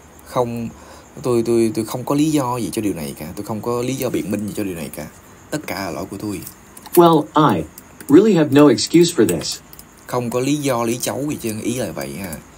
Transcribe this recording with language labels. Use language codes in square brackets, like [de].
[vi] Không, tôi không có lý do gì cho điều này cả. Tôi không có lý do biện minh gì cho điều này cả. Tất cả là lỗi của tôi. [en] Well, I really have no excuse for this. [vi] Không có lý do lý cháu gì chứ, ý là vậy ha.